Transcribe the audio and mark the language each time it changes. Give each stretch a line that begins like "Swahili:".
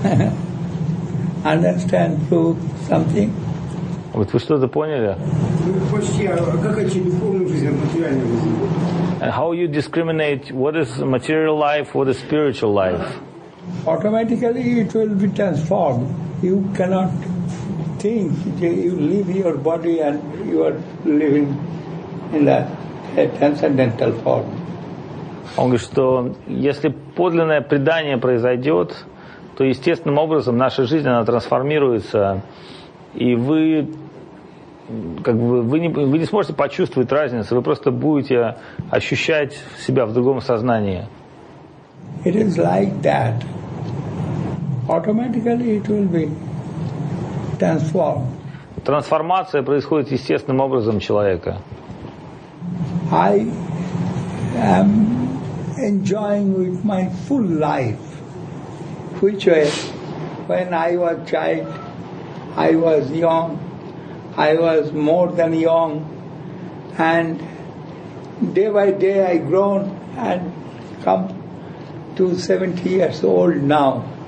English: Yeah. Understand through something?
Russian: Вот вы что-то поняли? Ну, почти, а как о духовной жизни, о материальной жизни?
English: How you discriminate what is material life, what is spiritual life? Automatically it will be transformed. You cannot think. You leave your body and you are living in a transcendental form.
Russian: Он говорит, что если подлинное предание произойдет, то естественным образом наша жизнь, она трансформируется, и вы как бы вы не сможете почувствовать разницу, вы просто будете ощущать себя в другом сознании.
English: It is like that. Automatically it will be transformed.
Russian: Трансформация происходит естественным образом человека.
English: I am enjoying with my full life, which way, when I was child, I was young, I was more than young, and day by day I grown and come to 70 years old now.